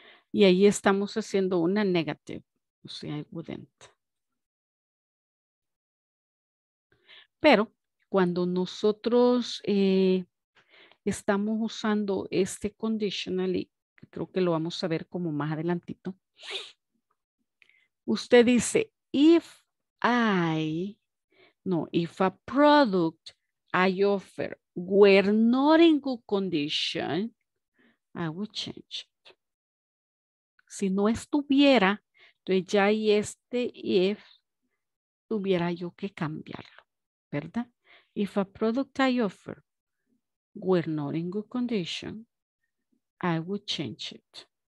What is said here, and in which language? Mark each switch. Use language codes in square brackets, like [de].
[es] Y ahí estamos haciendo una negative. O sea, [en] I wouldn't. [es] Pero cuando nosotros estamos usando este conditional, y creo que lo vamos a ver como más adelantito. Usted dice, [en] if a product I offer were not in good condition, I would change it. [es] Si no estuviera, entonces ya y este if, tuviera yo que cambiarlo, ¿verdad? [en] If a product I offer were not in good condition, I would change it.